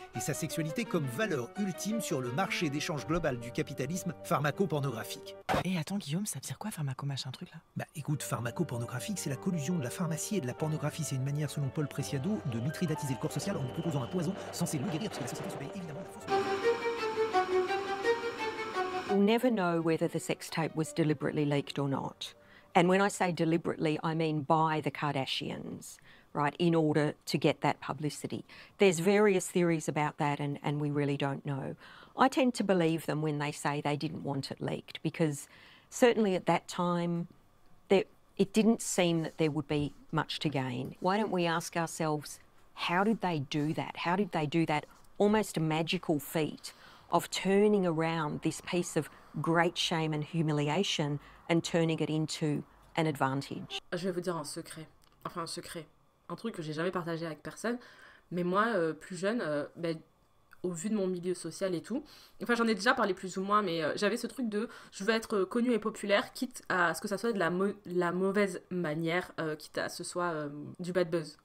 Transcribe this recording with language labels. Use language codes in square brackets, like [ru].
[fr] Et sa sexualité comme valeur ultime sur le marché d'échange global du capitalisme pharmaco-pornographique. Et attends, Guillaume, ça veut dire quoi, pharmaco-machin truc, là? Bah, écoute, pharmaco-pornographique, c'est la collusion de la pharmacie et de la pornographie. C'est une manière, selon Paul Preciado, de mitridatiser le corps social en lui proposant un poison censé le guérir, parce que la société se paye évidemment la fausse. [en] We'll never know whether the sex tape was deliberately leaked or not. And when I say deliberately, I mean by the Kardashians, right, in order to get that publicity. There's various theories about that and we really don't know. I tend to believe them when they say they didn't want it leaked because certainly at that time, it didn't seem that there would be much to gain. Why don't we ask ourselves, how did they do that? How did they do that almost a magical feat of turning around this piece of great shame and humiliation and turning it into an advantage. [fr] Je vais vous dire un secret. Enfin, un secret. Un truc que j'ai jamais partagé avec personne. Mais moi, plus jeune, au vu de mon milieu social et tout, enfin, j'en ai déjà parlé plus ou moins, mais j'avais ce truc de je veux être connue et populaire, quitte à ce que ça soit de la mauvaise manière, quitte à ce soit du bad buzz.